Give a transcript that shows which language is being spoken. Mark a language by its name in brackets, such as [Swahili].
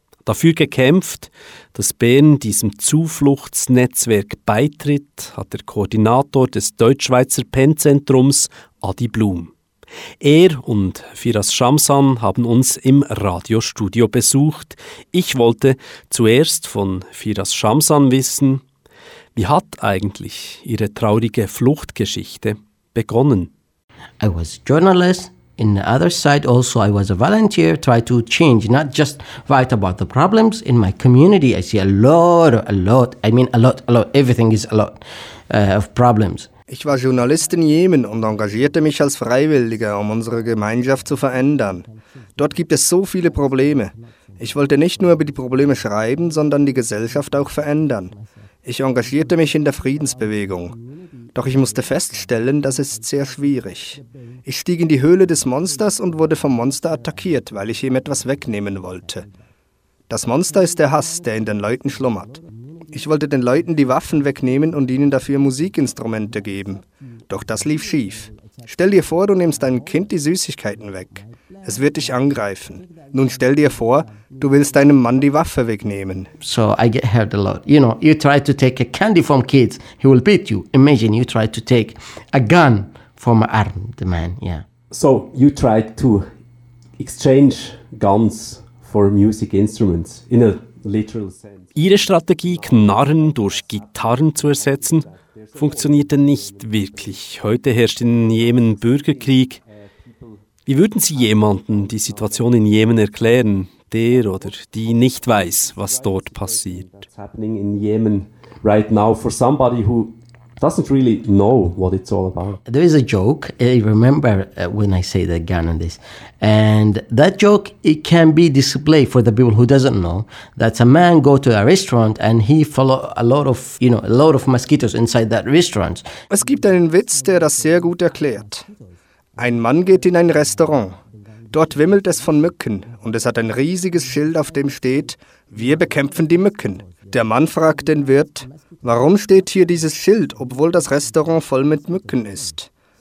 [German] Dafür gekämpft, dass Bern diesem Zufluchtsnetzwerk beitritt, hat der Koordinator des Deutschschweizer PEN-Zentrums Adi Blum. Er und Firas Shamsan haben uns im Radiostudio besucht. Ich wollte zuerst von Firas Shamsan wissen, wie hat eigentlich ihre traurige Fluchtgeschichte begonnen? [English] I was journalist. In the other side also, I was a volunteer, try to change, not just write about the problems in my community. I see a lot, everything is a lot of problems. [German] Ich war Journalist in Jemen und engagierte mich als Freiwilliger, um unsere Gemeinschaft zu verändern. Dort gibt es so viele Probleme. Ich wollte nicht nur über die Probleme schreiben, sondern die Gesellschaft auch verändern. Ich engagierte mich in der Friedensbewegung. Doch ich musste feststellen, das ist sehr schwierig. Ich stieg in die Höhle des Monsters und wurde vom Monster attackiert, weil ich ihm etwas wegnehmen wollte. Das Monster ist der Hass, der in den Leuten schlummert. Ich wollte den Leuten die Waffen wegnehmen und ihnen dafür Musikinstrumente geben. Doch das lief schief. Stell dir vor, du nimmst deinem Kind die Süßigkeiten weg. Es wird dich angreifen. Nun stell dir vor, du willst deinem Mann die Waffe wegnehmen. [English] So, I get hurt a lot. You know, you try to take a candy from kids, he will beat you. Imagine you try to take a gun from an armed man, yeah. So, you tried to exchange guns for music instruments in a literal sense. [German] Ihre Strategie, Knarren durch Gitarren zu ersetzen, funktionierte nicht wirklich. Heute herrscht in Jemen Bürgerkrieg. Wie würden Sie jemanden die Situation in Jemen erklären, der oder die nicht weiß, was dort passiert? [English] That's happening in Yemen right now for somebody who doesn't really know what it's all about. There is a joke. I remember when I say the gun and this, and that joke it can be displayed for the people who doesn't know. That's a man go to a restaurant and he follow a lot of mosquitoes inside that restaurant. [German] Es gibt einen Witz, der das sehr gut erklärt. Ein Mann geht in ein Restaurant. Dort wimmelt es von Mücken und es hat ein riesiges Schild, auf dem steht: Wir bekämpfen die Mücken. Der Mann fragt den Wirt: Warum steht hier dieses Schild, obwohl das Restaurant voll mit Mücken ist?